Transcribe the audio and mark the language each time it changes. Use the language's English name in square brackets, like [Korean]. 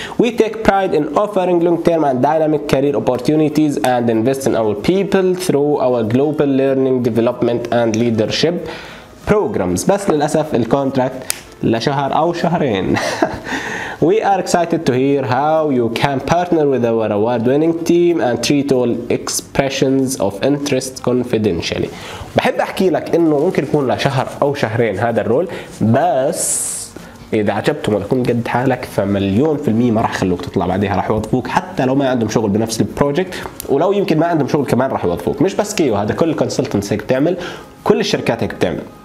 [English] We take pride in offering long-term and dynamic career opportunities and invest in our people through our global learning, development and leadership programs. [Arabic] بس للأسف الكونتراكت لشهر أو شهرين. [English] We are excited to hear how you can partner with our award-winning team and treat all expressions of interest confidentially. [Arabic] بحب أحكي لك إنه ممكن يكون لشهر أو شهرين هذا الرول, بس إذا عجبتهم وتكون قد حالك فمليون في المية ما راح خلوك تطلع بعديها, راح يوظفوك حتى لو ما عندهم شغل بنفس البروجكت, ولو يمكن ما عندهم شغل كمان راح يوظفوك. مش بس كيو, هذا كل consultants هيك بتعمل, كل الشركات هيك بتعمل.